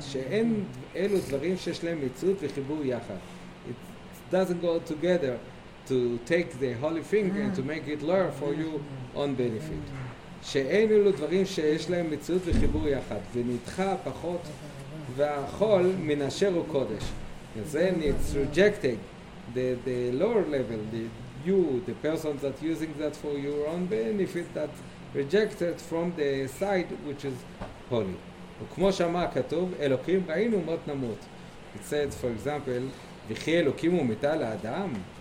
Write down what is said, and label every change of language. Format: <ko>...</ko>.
<he>שאין אלו דברים שיש להם מציאות וחיבור יחד.</he> <en>It doesn't go together to take the holy thing and to make it lower for you on benefit.</en> <he>שאין אלו דברים שיש להם מציאות וחיבור יחד, ונדחה פחות והחול מן אשר הוא קודש.</he> <en>Then it's rejecting the lower level, the person that using that for your own benefit, that rejected from the side which is holy.</en> <he>וכמו שאמר כתוב, אלוקים ראינו מות נמות.</he> <en>It says, for example,</en> <he>וכי אלוקים הוא מיטה לאדם.</he>